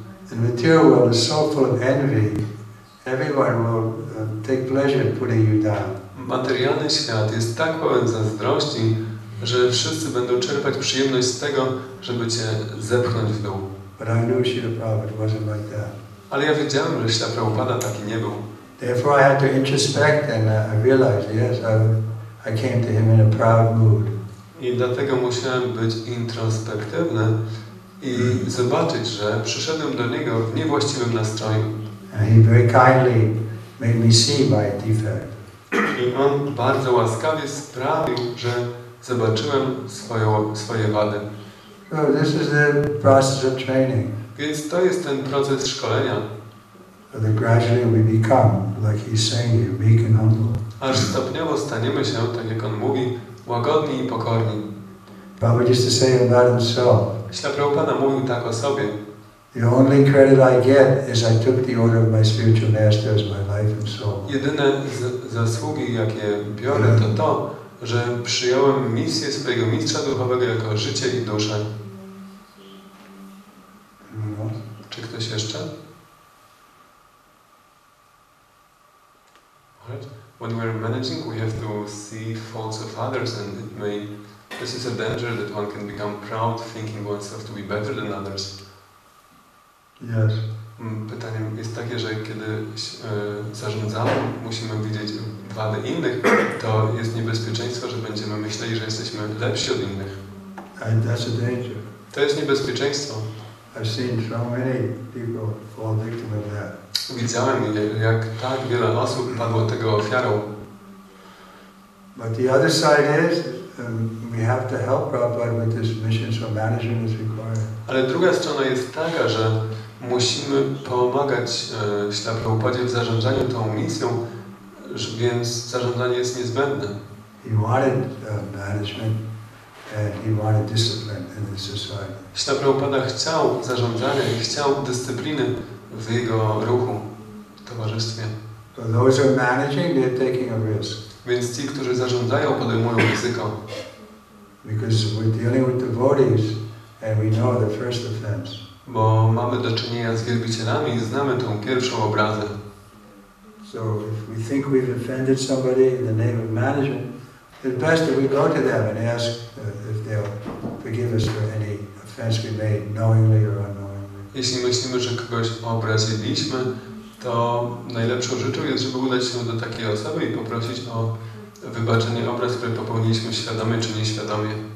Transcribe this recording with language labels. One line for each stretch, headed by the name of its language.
English: The material world is so full of envy. Everyone will take pleasure putting you down.
Polish: Materialny świat jest tak pełen zazdrości, że wszyscy będą czerpać przyjemność z tego, żeby cię zepchnąć w dół.
English: But I knew Śrīla Prabhupāda wasn't like that.
Polish: Ale ja wiedziałem, że Śrīla Prabhupāda taki nie był.
English: Therefore I had to introspect and I realized, yes, I came to him in a proud mood.
Polish: I dlatego musiałem być introspektywny i zobaczyć, że przyszedłem do niego w niewłaściwym nastroju.
English: And he very kindly made me see my defect.
Polish: I on bardzo łaskawie sprawił, że zobaczyłem swoje wady.
English: So this is the process of training.
Polish: Więc to jest ten proces szkolenia.
English: So that gradually we become, like he's saying, meek and humble.
Polish: Aż stopniowo staniemy się, tak jak on mówi, łagodni i pokorni.
English: Prabhupada used to say about himself. Śrīla
Polish: Prabhupada mówił tak o sobie.
English: The only credit I get is I took the order of my spiritual master as my life and soul.
Polish: Jedyne zasługi, jakie biorę, to to, że przyjąłem misję swojego mistrza duchowego jako życie i duszę. No. Czy ktoś jeszcze?
English: When we are managing, we have to see faults of others, and this is a danger that one can become proud, thinking oneself to be better than others. Yes.
Polish: Pytanie jest takie, że kiedy zarządzamy, musimy widzieć wady innych, to jest niebezpieczeństwo, że będziemy myśleli, że jesteśmy lepsi od innych.
English: And that's a danger.
Polish: To jest niebezpieczeństwo.
English: I've seen so many people fall victim of that.
Polish: Widziałem, jak tak wiele osób padło tego ofiarą.
English: But the other side is, we have to help Prabhupada with this mission, so management is required.
Polish: Ale druga strona jest taka, że musimy pomagać Śrīla Prabhupadzie w zarządzaniu tą misją, więc zarządzanie jest niezbędne.
English: He wanted management and he wanted discipline in the society.
Polish: Śrīla Prabhupada chciał zarządzania i chciał dyscypliny w jego ruchu, w towarzystwie.
English: So those who are managing, they're taking a risk.
Polish: Więc ci, którzy zarządzają, podejmują ryzyko.
English: Because we're dealing with devotees and we know the first offense.
Polish: Bo mamy do czynienia z wielbicielami i znamy tą pierwszą obrazę.
English: So if we think we've offended somebody in the name of management, it's best that we go to them and ask if they'll forgive us for any offense we made knowingly or unknowingly.
Polish: Jeśli myślimy, że kogoś obraziliśmy, to najlepszą rzeczą jest, żeby udać się do takiej osoby i poprosić o wybaczenie obraz, które popełniliśmy świadomie czy nieświadomie.